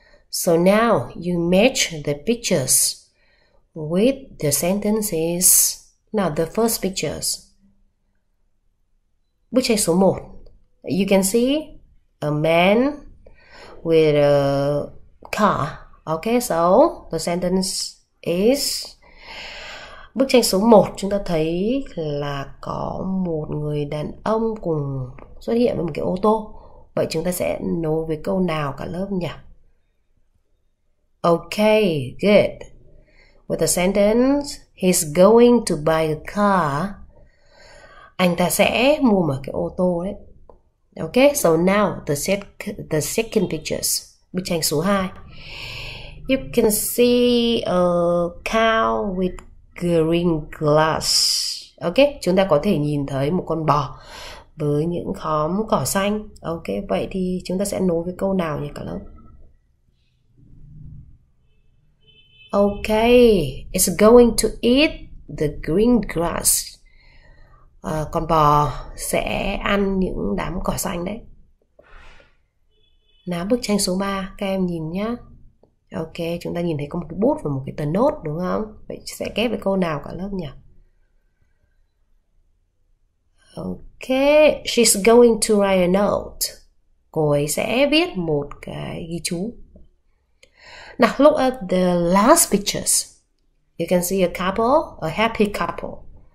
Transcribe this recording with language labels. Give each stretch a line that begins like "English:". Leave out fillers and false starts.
English: So now you match the pictures with the sentences. Now the first pictures.
Vietnamese: Bức tranh số 1.
English: You can see a man with a car. Okay, so the sentence is
Vietnamese: bức tranh số 1 chúng ta thấy là có một người đàn ông cùng xuất hiện với một cái ô tô. Vậy chúng ta sẽ nối với câu nào cả lớp nhỉ?
English: Okay, good. With the sentence, he's going to buy a car.
Vietnamese: Anh ta sẽ mua một cái ô tô đấy.
English: Okay, so now the second pictures.
Vietnamese: Bức tranh số 2.
English: You can see a cow with green glass.
Vietnamese: Okay, chúng ta có thể nhìn thấy một con bò với những khóm cỏ xanh. Okay, vậy thì chúng ta sẽ nối với câu nào nhỉ cả lớp?
English: Okay, it's going to eat the green grass.
Vietnamese: Con bò sẽ ăn những đám cỏ xanh đấy. Nào bức tranh số 3, các em nhìn nhá. Ok, chúng ta nhìn thấy có một cái bút và một cái tờ nốt đúng không? Vậy sẽ ghép với câu nào cả lớp nhỉ?
English: Ok, she's going to write a note.
Vietnamese: Cô ấy sẽ viết một cái ghi chú.
English: Now look at the last pictures. You can see a couple, a happy couple.